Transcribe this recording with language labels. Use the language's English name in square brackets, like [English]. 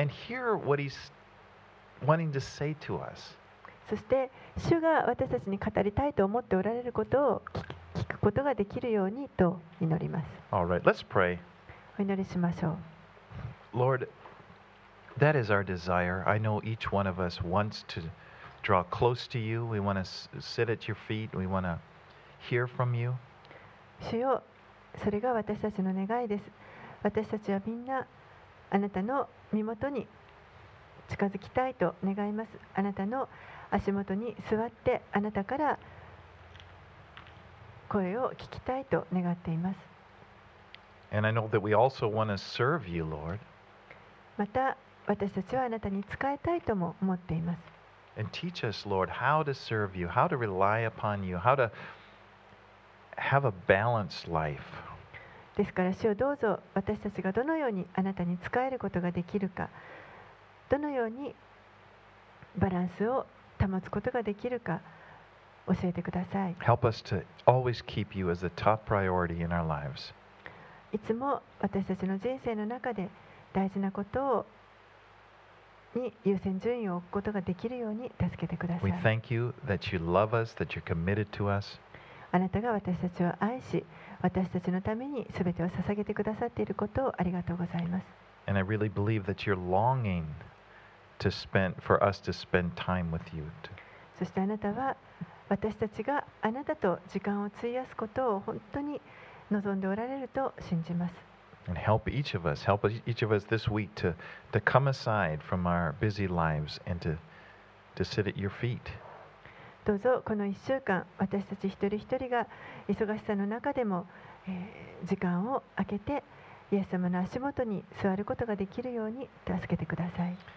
[English] And hear what he's wanting to say to us. [Japanese] そして主が私たちに語りたいと思っておられることを聞くことができるようにと祈ります。 [English] All right, let's pray. [Japanese] お祈りしましょう。 [English] Lord, that is our desire. I know each one of us wants to. Draw close to you. We want to sit at your feet. We want to hear from you. [Japanese] 主よ、それが私たちの願いです。私たちはみんなあなたの身元に近づきたいと願います。あなたの足元に座ってあなたから声を聞きたいと願っています。 [English] And I know that we also want to serve you, Lord. [Japanese] また私たちはあなたに仕えたいとも思っています。 [English] And teach us, Lord, how to serve you, how to rely upon you, how to have a balanced life. [Japanese] ですから主よどうぞ私たちがどのようにあなたに仕えることができるか、どのようにバランスを保つことができるか教えてください。 [English] Help us to always keep you as the top priority in our lives. [Japanese] いつも私たちの人生の中で大事なことをに優先順位を置くことができるように助けてください。 [English] We thank you that you love us, that you're committed to us. [Japanese] あなたが私たちを愛し、私たちのために全てを捧げてくださっていることをありがとうございます。 [English] And I really believe that you're longing to spend for us to spend time with you. [Japanese] そしてあなたは私たちがあなたと時間を費やすことを本当に望んでおられると信じます。 [English] And help each of us this week to come aside from our busy lives and to sit at your feet. [Japanese] どうぞこの1週間、私たち一人一人が忙しさの中でも、時間を空けて、イエス様の足元に座ることができるように助けてください。